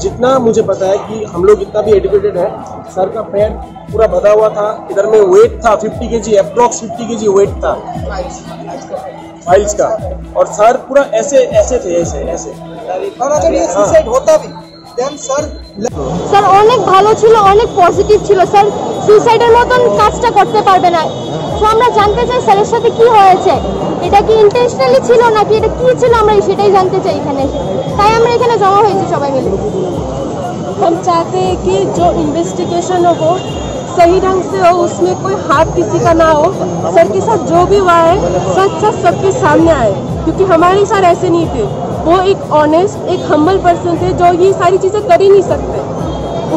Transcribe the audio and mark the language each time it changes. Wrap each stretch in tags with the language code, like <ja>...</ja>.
<hi>जितना मुझे पता है कि हम लोग इतना भी एडुकेटेड है, सर का पैर पूरा बंधा हुआ था, इधर में वेट था 50 kg, अप्रोक्स 50 kg वेट था फाइल्स का, और सर पूरा ऐसे थे। और अगर ये सुसाइड होता भी, देन सर सर</hi> <bn>অনেক ভালো ছিল, অনেক পজিটিভ ছিল, স্যার সুইসাইডের মতন কাজটা করতে পারবে না। তো আমরা জানতে চাই স্যারের সাথে কি হয়েছে, এটা কি ইন্টেনশনালি ছিল নাকি এটা কি ছিল, আমরা সেটাই জানতে চাই এখানে। তাই আমরা এখানে জমা হয়েছি সবাই মিলে।</bn> <hi>हम चाहते हैं कि जो इन्वेस्टिगेशन हो सही ढंग से हो, उसमें कोई हाथ किसी का ना हो, सर के साथ जो भी हुआ है सच सच सबके सामने आए, क्योंकि हमारे सर ऐसे नहीं थे, वो एक ऑनेस्ट एक हम्बल पर्सन थे जो ये सारी चीज़ें कर ही नहीं सकते।</hi>